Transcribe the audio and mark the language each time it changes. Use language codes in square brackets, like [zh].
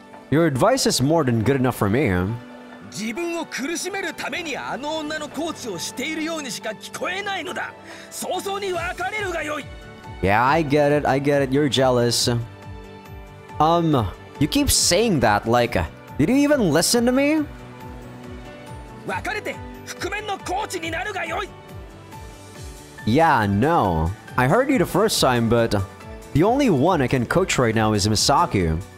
[en] Your advice is more than good enough for me. [ja] 自分を苦しめるためにあの女のコーチをしているようにしか聞こえないのだ。早々に別れるがよい。 [en] Yeah, I get it. You're jealous. You keep saying that, like, did you even listen to me? [ja] 別れて覆面のコーチになるがよい。 [en] Yeah, no. I heard you the first time, but the only one I can coach right now is Misaki.